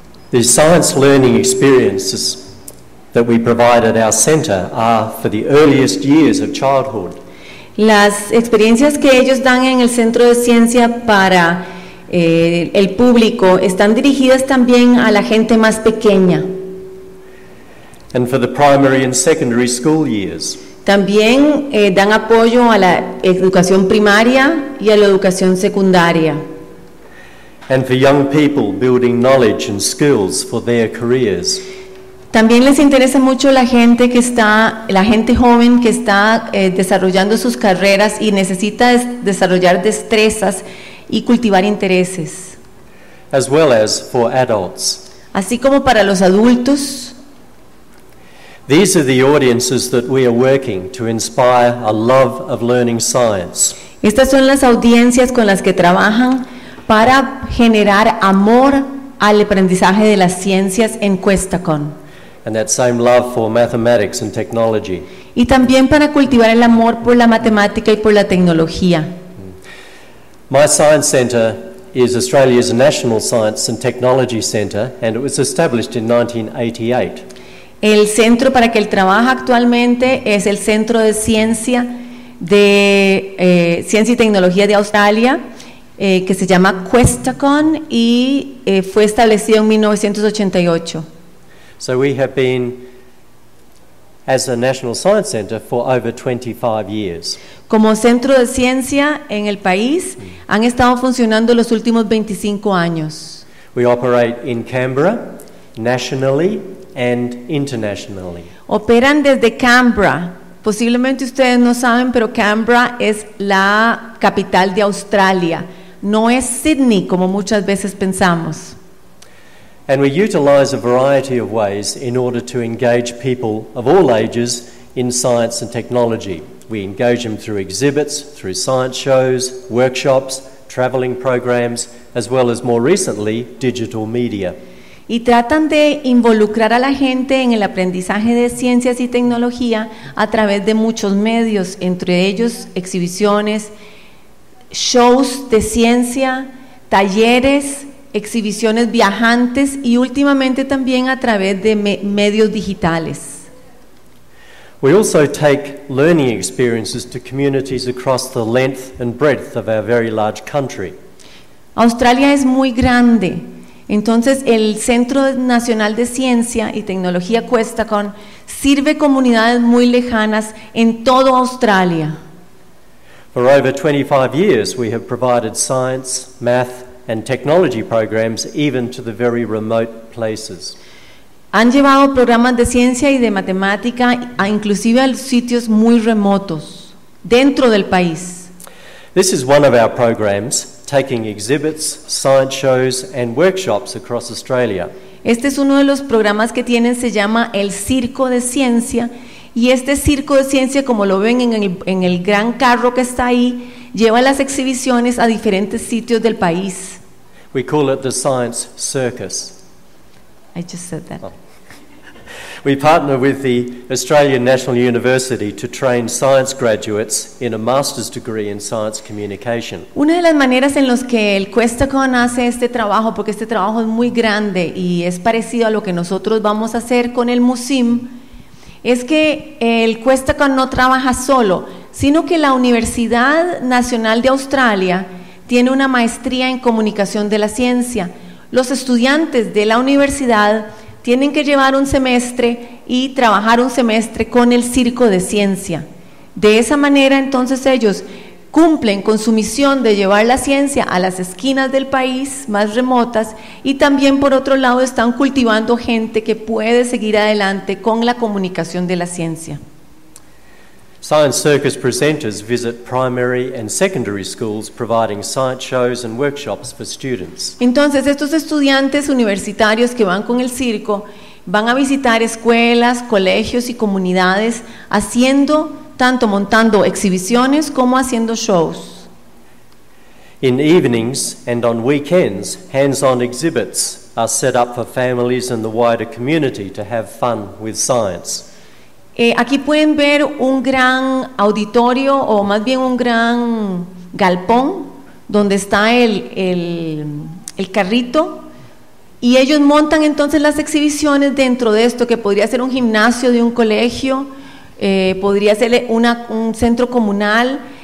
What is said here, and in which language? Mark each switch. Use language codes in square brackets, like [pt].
[en] The science learning experiences that we provide at our center are for the earliest years of childhood. [es] Las experiencias que ellos dan en el centro de ciencia para el público están dirigidas también a la gente más pequeña. [en] And for the primary and secondary school years. [es] También dan apoyo a la educación primaria y a la educación secundaria. [en] And for young people building knowledge and skills for their careers. [es] También les interesa mucho la gente joven que está desarrollando sus carreras y necesita desarrollar destrezas y cultivar intereses. [en] As well as for adults. [es] Así como para los adultos. [en] These are the audiences that we are working to inspire a love of learning science. [es] Estas son las audiencias con las que trabajan para generar amor al aprendizaje de las ciencias en Questacon. [en] And that same love for mathematics and technology. [es] Y también para cultivar el amor por la matemática y por la tecnología. [en] My science center is Australia's National Science and Technology Center, and it was established in 1988. [es] El centro para que él trabaja actualmente es el Centro de Ciencia de Ciencia y Tecnología de Australia, que se llama Questacon y fue establecido en 1988. [en] So we have been as a National Science Center for over 25 years. [es] Como centro de ciencia en el país han estado funcionando los últimos 25 años. [en] We operate in Canberra nationally and internationally. [es] Operan desde Canberra. Posiblemente ustedes no saben, pero Canberra es la capital de Australia. No es Sydney como muchas veces pensamos. [en] And we utilize a variety of ways in order to engage people of all ages in science and technology. We engage them through exhibits, through science shows, workshops, traveling programs, as well as more recently, digital media. [es] Y tratan de involucrar a la gente en el aprendizaje de ciencias y tecnología a través de muchos medios, entre ellos exhibiciones, shows de ciencia, talleres, exhibiciones viajantes y últimamente también a través de medios digitales. [en] We also take learning experiences to communities across the length and breadth of our very large country. [es] Australia es muy grande. Entonces, el Centro Nacional de Ciencia y Tecnología Questacon sirve comunidades muy lejanas en todo Australia. [en] For over 25 years, we have provided science, math, and technology programs even to the very remote places. [es] Han llevado programas de ciencia y de matemática a inclusive a sitios muy remotos dentro del país. [en] This is one of our programs, taking exhibits, science shows, and workshops across Australia. [es] Este es uno de los programas que tienen, se llama el Circo de Ciencia, y este Circo de Ciencia, como lo ven en el gran carro que está ahí, lleva las exhibiciones a diferentes sitios del país. [en] We call it the Science Circus. I just said that. Oh. We partner with the Australian National University to train science graduates in a master's degree in science communication. [es] Una de las maneras en las que el Questacon hace este trabajo, porque este trabajo es muy grande y es parecido a lo que nosotros vamos a hacer con el MUSIM, es que el Questacon no trabaja solo, sino que la Universidad Nacional de Australia tiene una maestría en comunicación de la ciencia. Los estudiantes de la universidad tienen que llevar un semestre y trabajar un semestre con el Circo de Ciencia. De esa manera, entonces, ellos cumplen con su misión de llevar la ciencia a las esquinas del país más remotas y también, por otro lado, están cultivando gente que puede seguir adelante con la comunicación de la ciencia. [en] Science Circus presenters visit primary and secondary schools providing science shows and workshops for students. [es] Entonces, estos estudiantes universitarios que van con el circo van a visitar escuelas, colegios y comunidades haciendo, tanto montando exhibiciones como haciendo shows. [en] In evenings and on weekends, hands-on exhibits are set up for families and the wider community to have fun with science. [es] Aquí pueden ver un gran auditorio o más bien un gran galpón donde está el carrito y ellos montan entonces las exhibiciones dentro de esto que podría ser un gimnasio de un colegio, podría ser un centro comunal.